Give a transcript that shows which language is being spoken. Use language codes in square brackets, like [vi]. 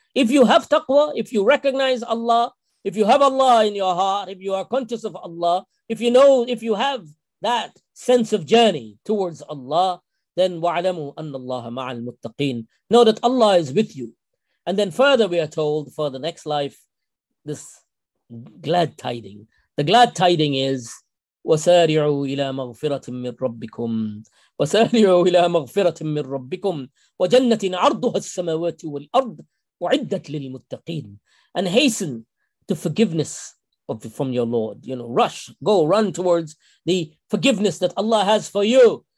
[en] If you have taqwa, if you recognize Allah, if you have Allah in your heart, if you are conscious of Allah, if you know, if you have that sense of journey towards Allah, then [ar] وَعْلَمُوا أَنَّ اللَّهَ مَعَ الْمُتَّقِينَ. [en] Know that Allah is with you. And then further we are told for the next life, this glad tiding. The glad tiding is [ar] وَسَارِعُوا إِلَى مَغْفِرَةٍ مِّن رَبِّكُمْ وَسَارِعُوا إِلَى مَغْفِرَةٍ مِّن رَبِّكُمْ وَجَنَّةٍ عَرْضُهَا السَّمَوَاتِ وَالْأَرْضِ وَعِدَّةٍ لِلْمُتَّقِينَ. [en] And hasten to forgiveness of the, from your Lord. You know, rush, go, run towards the forgiveness that Allah has for you.